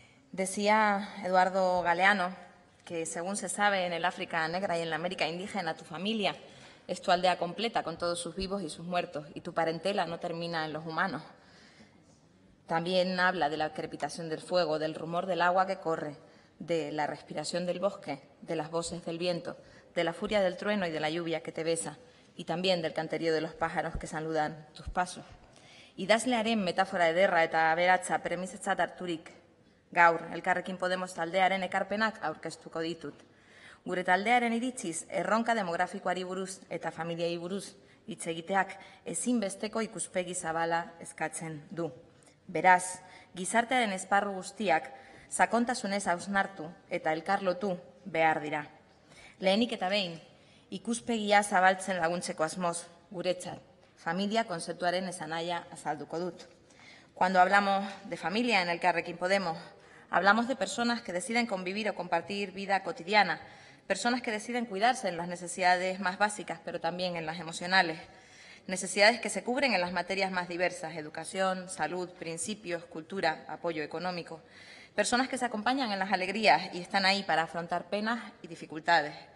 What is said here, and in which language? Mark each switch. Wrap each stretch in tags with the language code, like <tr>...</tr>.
<es>Decía Eduardo Galeano que según se sabe en el África Negra y en la América Indígena tu familia es tu aldea completa con todos sus vivos y sus muertos y tu parentela no termina en los humanos. También habla de la crepitación del fuego, del rumor del agua que corre, de la respiración del bosque, de las voces del viento, de la furia del trueno y de la lluvia que te besa, y también del canterío de los pájaros que saludan tus pasos.</es> <eu>Idazlearen metáfora ederra eta aberatza premisetzat harturik, gaur, elkarrekin Podemos taldearen ekarpenak aurkeztuko ditut. Gure taldearen iritziz, erronka demografikoari buruz eta familiai buruz hitz egiteak ezinbesteko ikuspegi zabala eskatzen du. Beraz, gizartearen esparru guztiak sakontasunez hausnartu eta elkarlotu behar dira. Lehenik eta behin, ikuspegia zabaltzen laguntzeko asmoz, guretzat, familia konzeptuaren esanaia azalduko dut.</eu> <es>Cuando hablamos de familia en Elkarrekin Podemos, hablamos de personas que deciden convivir o compartir vida cotidiana, personas que deciden cuidarse en las necesidades más básicas, pero también en las emocionales, necesidades que se cubren en las materias más diversas, educación, salud, principios, cultura, apoyo económico, personas que se acompañan en las alegrías y están ahí para afrontar penas y dificultades.</es>